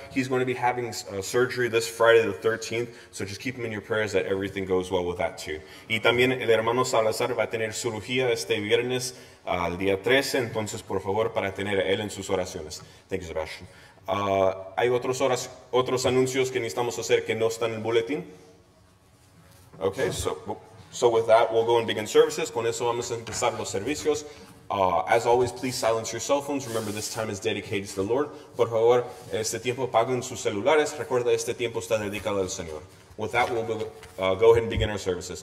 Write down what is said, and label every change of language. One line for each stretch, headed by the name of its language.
English: He's going to be having surgery this Friday the 13th, so just keep him in your prayers that everything goes well with that too.
Spanish: Y también el hermano Salazar va a tener cirugía este viernes al día 13, entonces por favor para tener a él en sus oraciones.
English: Thank you, Sebastian.
Spanish: Hay otros anuncios que necesitamos hacer que no están en el boletín.
English: Okay, so with that, we'll go and begin services.
Spanish: Con eso vamos a empezar los servicios.
English: As always, please silence your cell phones. Remember, this time is dedicated to the Lord.
Spanish: Por favor, este tiempo apaguen sus celulares. Recuerda, este tiempo está dedicado al Señor.
English: With that, we'll go ahead and begin our services.